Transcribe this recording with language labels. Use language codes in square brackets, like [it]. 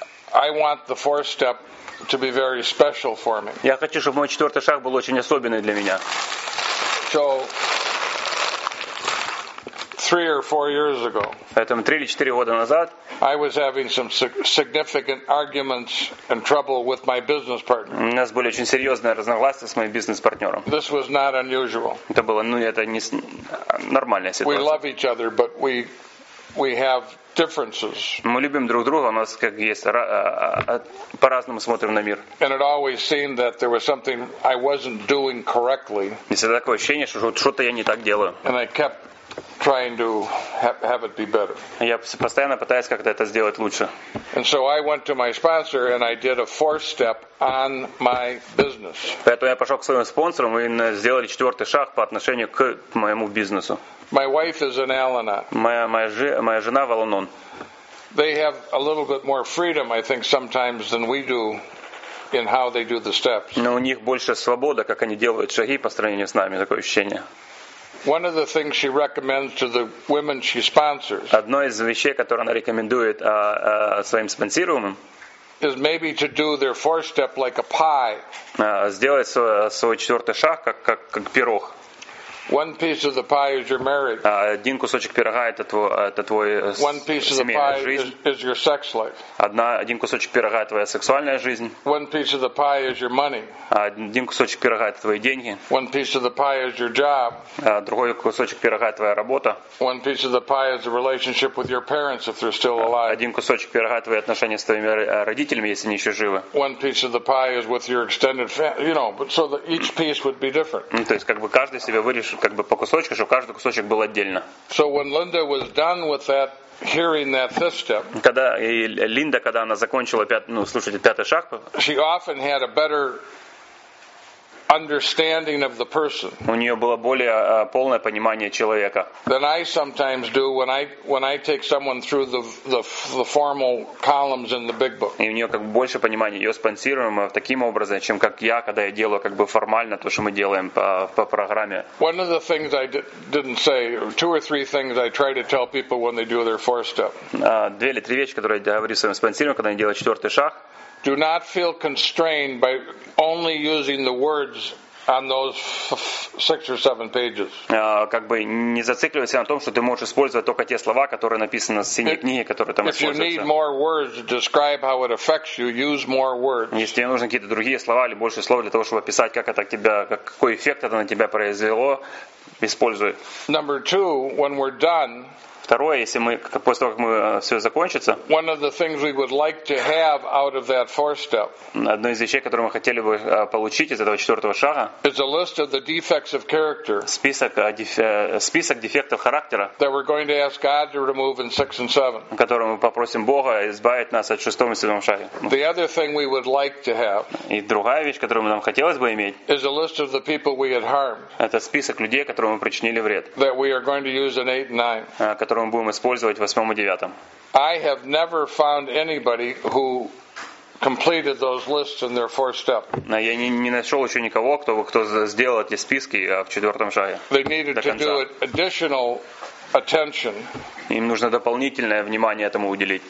[en] I want the fourth step to be very special for me. [ru] Я хочу, чтобы мой четвертый шаг был очень особенный для меня. [en] So, three or four years ago. [ru] Поэтому три или четыре года назад. [en] I was having some significant arguments and trouble with my business partner. [ru] У нас были очень серьезные разногласия с моим бизнес-партнером. [en] This was not unusual. [ru] Это было, это не нормальная ситуация. [en] We love each other, but we have differences. [ru] Мы любим друг друга, у нас есть по-разному смотрим на мир. [en] And it always seemed that there was something I wasn't doing correctly. [ru] И всегда такое ощущение, что что-то я не так делаю. [en] And I kept trying to have it be better. [ru] Я постоянно пытаюсь как-то это сделать лучше. [en] And so I went to my sponsor and I did a fourth step on my business. [ru] Поэтому я пошел к своему спонсору, мы сделали четвертый шаг по отношению к моему бизнесу. [en] My wife is in Al-Anon. [ru] Моя жена в Al-Anon. [en] They have a little bit more freedom, I think, sometimes than we do in how they do the steps. [ru] Но у них больше свобода, как они делают шаги по сравнению с нами, такое ощущение. [en] One of the things she recommends to the women she sponsors. [ru] Одно из вещей, которое она рекомендует своим спонсируемым. [en] Is maybe to do their fourth step like a pie. [ru] Сделать свой четвертый шаг как пирог. [en] One piece of the pie is your marriage. [ru] Один кусочек пирога это твой [en] One piece of the pie is your sex life. [ru] Один кусочек пирога твоя сексуальная жизнь. [en] One piece of the pie is your money. [ru] Один кусочек пирога это твои деньги. [en] One piece of the pie is your job. [ru] Другой кусочек пирога твоя работа. [en] One piece of the pie is the relationship with your parents if they're still alive. [ru] Один кусочек пирога твои отношения с твоими родителями, если они еще живы. [en] One piece of the pie is with your extended family, you know, but so that each piece would be different. [ru] То есть каждый себе вырежет по кусочку, чтобы каждый кусочек был отдельно. [en] So when Linda was done with that, hearing that fifth step, [ru] когда она закончила пятый шаг, [en] she often had a better understanding of the person. [ru] У нее было более полное понимание человека. [en] Than I sometimes do when I take someone through the formal columns in the big book. [ru] И у нее больше понимания ее спонсируемого таким образом, чем я, когда я делаю формально то, что мы делаем по программе. [en] One of the things I didn't say, two or three things I try to tell people when they do their fourth step. [ru] Две или три вещи, которые я говорю своим спонсируемым, когда они делают четвертый шаг. [en] Do not feel constrained by only using the words on those six or seven pages. [ru] Не зацикливайся на том, что ты можешь использовать только те слова, которые написаны в синей книге, которые там используются. [en] If you need more words to describe how it affects you, use more words. [ru] Если тебе нужны какие-то другие слова или больше слов для того, чтобы описать, как это какой эффект это на тебя произвело, используй. [en] Number two, when we're done. [ru] Второе, если мы после того, как мы все закончится. [en] One of the things we would like to have out of that fourth step. [ru] Одно из вещей, которые мы хотели бы получить из этого четвертого шага. [en] Is a list of the defects of character. [ru] Список дефектов характера. [en] That we're going to ask God to remove in six and seven. [ru] Которые мы попросим Бога избавить нас от шестого и седьмого шага. [en] The other thing we would like to have. [ru] И другая вещь, которую нам хотелось бы иметь. [en] Is a list of the people we had harmed. [ru] Это список людей, которым мы причинили вред. [en] That we are going to use in eight and nine. [ru] Которые мы будем использовать в восьмом и девятом. [en] I have never found anybody who completed those lists in their fourth step. [ru] Я не нашел еще никого, кто сделал эти списки в четвертом шаге. [en] They needed to do additional attention. [ru] Им нужно дополнительное внимание этому уделить.